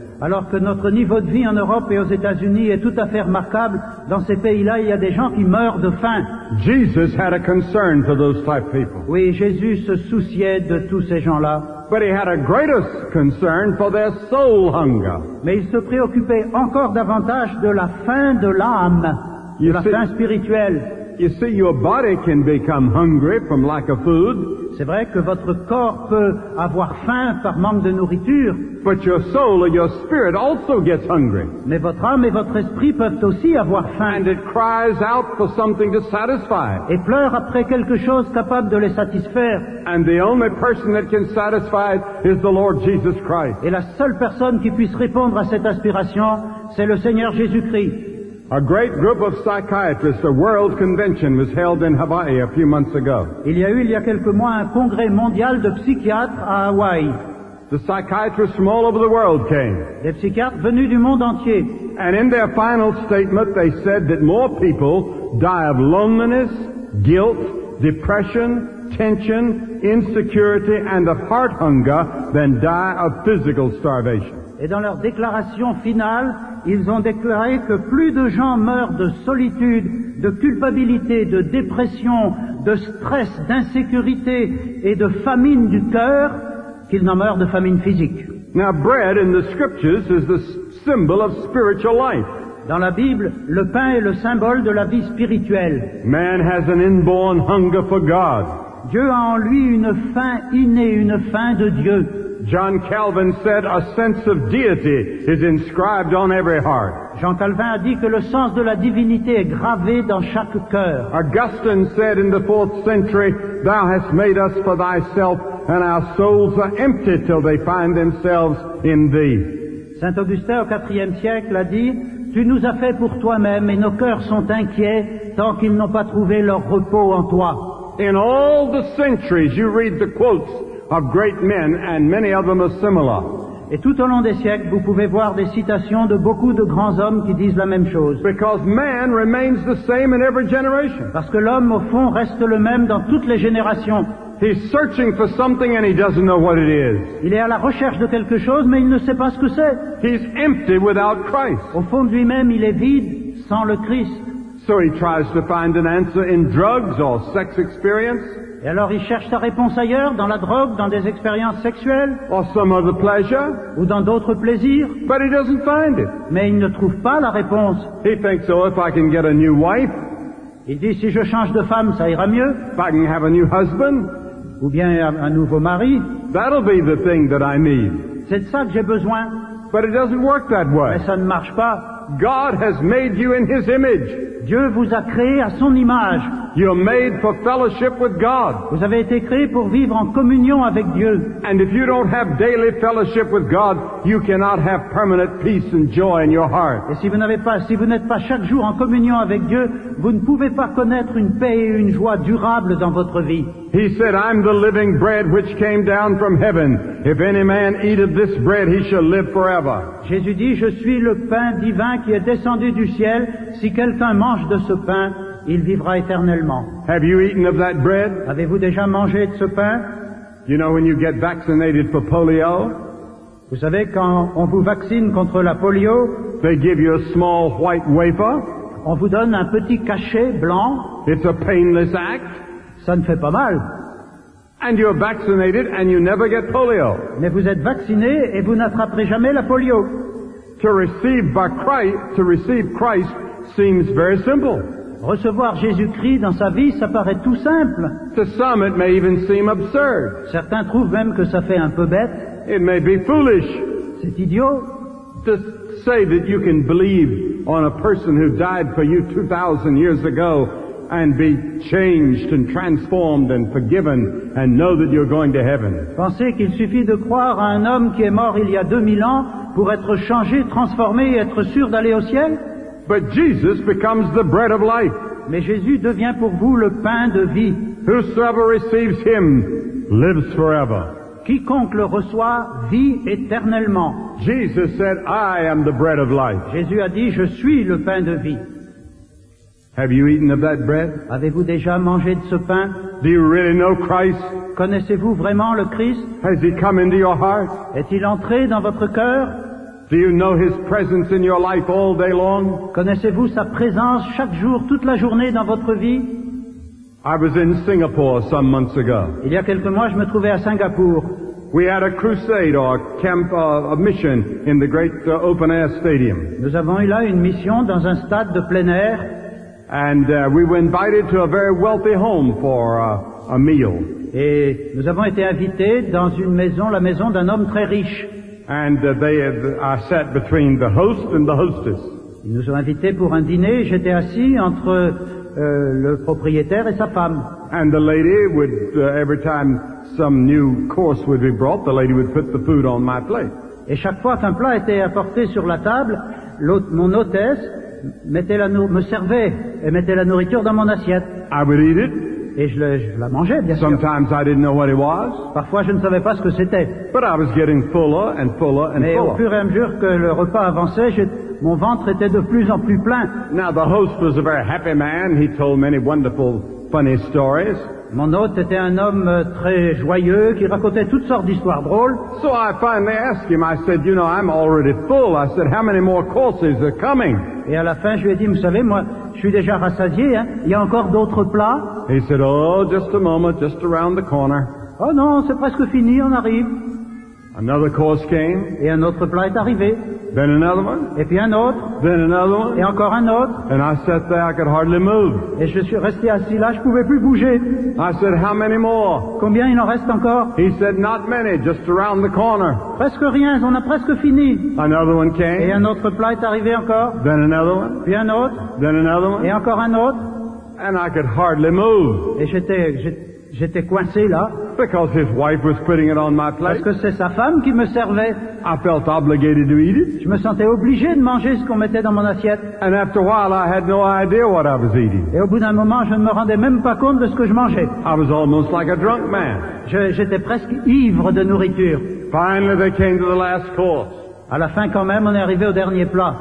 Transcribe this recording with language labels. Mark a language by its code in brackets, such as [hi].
[fr] Alors que notre niveau de vie en Europe et aux États-Unis est tout à fait remarquable, dans ces pays-là, il y a des gens qui meurent de faim. [en] Jesus had a concern for those type people. [fr] Oui, Jésus se souciait de tous ces gens-là. [en] But he had a greater concern for their soul hunger. [fr] Mais il se préoccupait encore davantage de la faim de l'âme, de la faim spirituelle. [en] You see, your body can become hungry from lack of food. [fr] C'est vrai que votre corps peut avoir faim par manque de nourriture. [en] But your soul or your spirit also gets hungry. [fr] Mais votre âme et votre esprit peuvent aussi avoir faim. [en] And it cries out for something to satisfy. [fr] Et pleure après quelque chose capable de les satisfaire. [en] And the only person that can satisfy it is the Lord Jesus Christ. [fr] Et la seule personne qui puisse répondre à cette aspiration, c'est le Seigneur Jésus-Christ. [en] A great group of psychiatrists, a world convention, was held in Hawaii a few months ago. [fr] Il y a quelques mois un congrès mondial de psychiatres à Hawaï. [en] The psychiatrists from all over the world came. [fr] Les psychiatres venus du monde entier. [en] And in their final statement, they said that more people die of loneliness, guilt, depression, tension, insecurity, and of heart hunger than die of physical starvation. [fr] Et dans leur déclaration finale, ils ont déclaré que plus de gens meurent de solitude, de culpabilité, de dépression, de stress, d'insécurité et de famine du cœur qu'ils n'en meurent de famine physique. [en] Now, bread in the scriptures is the symbol of spiritual life. [fr] Dans la Bible, le pain est le symbole de la vie spirituelle. [en] Man has an inborn hunger for God. [fr] Dieu a en lui une faim innée, une faim de Dieu. [en] John Calvin said a sense of deity is inscribed on every heart. [fr] Jean Calvin a dit que le sens de la divinité est gravé dans chaque cœur. [en] Augustine said in the 4th century, thou hast made us for thyself, and our souls are empty till they find themselves in thee. [fr] Saint Augustin au 4e siècle a dit, tu nous as fait pour toi-même et nos cœurs sont inquiets tant qu'ils n'ont pas trouvé leur repos en toi. [en] In all the centuries you read the quotes of great men, and many of them are similar. [fr] Et tout au long des siècles, vous pouvez voir des citations de beaucoup de grands hommes qui disent la même chose. [en] Because man remains the same in every generation. [fr] Parce que l'homme, au fond, reste le même dans toutes les générations. [en] He's searching for something and he doesn't know what it is. [fr] Il est à la recherche de quelque chose, mais il ne sait pas ce que c'est. [en] He's empty without Christ. [fr] Au fond de lui-même, il est vide sans le Christ. [en] So he tries to find an answer in drugs or sex experience. [fr] Et alors il cherche sa réponse ailleurs, dans la drogue, dans des expériences sexuelles, [en] or some other pleasure, [fr] ou dans d'autres plaisirs. [en] But he doesn't find it. [fr] Mais il ne trouve pas la réponse. [en] He thinks, oh, if I can get a new wife, [fr] il dit, si je change de femme, ça ira mieux. [en] If I can have a new husband, [fr] ou bien un nouveau mari. [en] That'll be the thing that I need. [fr] C'est de ça que j'ai besoin. [en] But it doesn't work that way. [fr] Mais ça ne marche pas. [en] God has made you in his image. [fr] Dieu vous a créé à son image. [en] You're made for fellowship with God. [fr] Vous avez été créé pour vivre en communion avec Dieu. [en] And if you don't have daily fellowship with God, you cannot have permanent peace and joy in your heart. [fr] Et si vous n'êtes pas chaque jour en communion avec Dieu, vous ne pouvez pas connaître une paix et une joie durable dans votre vie. [en] He said, I'm the living bread which came down from heaven. If any man eat of this bread, he shall live forever. [fr] Jésus dit, je suis le pain divin qui est descendu du ciel. Si quelqu'un mange de ce pain, il vivra éternellement. [en] Have you eaten of that bread? [fr] Avez-vous déjà mangé de ce pain? [en] You know, when you get vaccinated for polio, [fr] vous savez, quand on vous vaccine contre la polio, [en] they give you a small white wafer. [fr] On vous donne un petit cachet blanc. [en] It's a painless act. [fr] Ça ne fait pas mal. [en] And you're vaccinated and you never get polio. [fr] Mais vous êtes vacciné et vous n'attraperez jamais la polio. [en] To receive Christ seems very simple. [fr] Recevoir Jésus-Christ dans sa vie, ça paraît tout simple. [en] To some, it may even seem absurd. [fr] Certains trouvent même que ça fait un peu bête. [en] It may be foolish. [fr] C'est idiot. [en] To say that you can believe on a person who died for you 2,000 years ago and be changed and transformed and forgiven and know that you're going to heaven. [fr] Pensez qu'il suffit de croire à un homme qui est mort il y a 2000 ans pour être changé, transformé et être sûr d'aller au ciel? [en] But Jesus becomes the bread of life. [fr] Mais Jésus devient pour vous le pain de vie. [en] Whosoever receives him lives forever. [fr] Quiconque le reçoit vit éternellement. [en] Jesus said, I am the bread of life. [fr] Jésus a dit, je suis le pain de vie. [en] Have you eaten of that bread? [fr] Avez-vous déjà mangé de ce pain? [en] Do you really know Christ? [fr] Connaissez-vous vraiment le Christ? [en] Has he come into your heart? [fr] Est-il entré dans votre cœur? [en] Do you know his presence in your life all day long? [fr] Connaissez-vous sa présence chaque jour, toute la journée dans votre vie? [en] I was in Singapore some months ago. [fr] Il y a quelques mois, je me trouvais à Singapour. [en] We had a crusade or a camp or a mission in the great open air stadium. [fr] Nous avons eu là une mission dans un stade de plein air. [en] And we were invited to a very wealthy home for a meal. [fr] Et nous avons été invités dans une maison, la maison d'un homme très riche. [en] And they had sat between the host and the hostess. [fr] Ils nous ont invités pour un dîner. J'étais assis entre le propriétaire et sa femme. [en] And the lady would every time some new course would be brought, the lady would put the food on my plate. [fr] Et chaque fois qu'un plat était apporté sur la table, mon hôtesse me servait et mettait la nourriture dans mon assiette. [en] I would eat it. [fr] Et je la mangeais, bien [en] sometimes [fr] sûr. [en] I didn't know what it was. [fr] Parfois, je ne savais pas ce que c'était. [en] But I was getting fuller and fuller and [fr] mais [en] fuller. [fr] Au fur et à mesure que le repas avançait, mon ventre était de plus en plus plein. [en] Now, the host was a very happy man. He told many wonderful, funny stories. [fr] Mon hôte était un homme très joyeux qui racontait toutes sortes d'histoires drôles. [en] So I finally asked him, I said, you know, I'm already full. I said, how many more courses are coming? [fr] Et à la fin, je lui ai dit, vous savez, moi, je suis déjà rassasié, hein? Il y a encore d'autres plats. [en] He said, oh, just a moment, just around the corner. [fr] Oh non, c'est presque fini, on arrive. [en] Another course came. [fr] Et un autre plat est arrivé. [en] Then another one. [fr] Et puis un autre. [en] Then another one. [fr] Et encore un autre. [en] And I sat there, I could hardly move. [fr] Et je suis resté assis là, je pouvais plus bouger. [en] I said, how many more? [fr] Combien il en reste encore? [en] He said, not many, just around the corner. [fr] Presque rien, on a presque fini. [en] Another one came. [fr] Et un autre plat est arrivé encore. [en] Then another one. [fr] Puis un autre. [en] Then another one. [fr] Et encore un autre. [en] And I could hardly move. [fr] Et j'étais coincé là. [en] Because his wife was putting it on my plate. [fr] Parce que c'est sa femme qui me servait. [en] I felt obligated to eat it. [fr] Je me sentais obligé de manger ce qu'on mettait dans mon assiette. [en] And after a while, I had no idea what I was eating. [fr] Et au bout d'un moment, je ne me rendais même pas compte de ce que je mangeais. [en] I was almost like a drunk man. [fr] J'étais presque ivre de nourriture. [en] Finally, they came to the last course. [fr] À la fin, quand même, on est arrivé au dernier plat.